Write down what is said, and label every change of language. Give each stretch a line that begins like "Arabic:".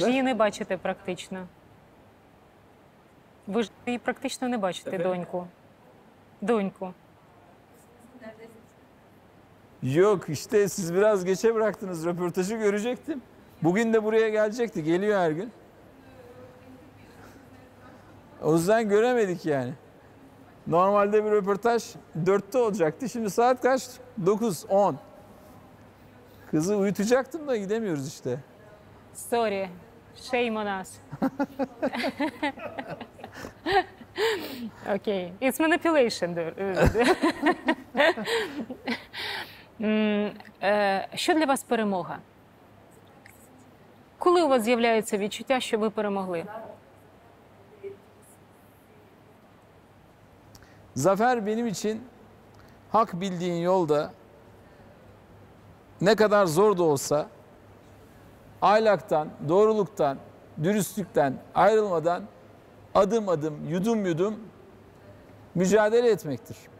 Ukrainian: Ви ж її не бачите практично. Ви ж її практично не бачите, доньку. Доньку.
Turkish: Yok işte, siz biraz geçe bıraktınız, röportajı görecektim. Bugün de buraya gelecekti, geliyor her gün. O yüzden göremedik yani. Normalde bir röportaj 4'te olacaktı. Şimdi saat kaç? 9:10. Kızı uyutacaktım da gidemiyoruz işte.
English: Sorry. Shame on us. Okay. It's manipulation.
Ukrainian: Що для вас перемога? Коли у вас з'являється відчуття, що ви перемогли?
Turkish: Zafer benim için hak bildiğin yolda ne kadar zor da olsa aylaktan, doğruluktan, dürüstlükten ayrılmadan adım adım, yudum yudum mücadele etmektir.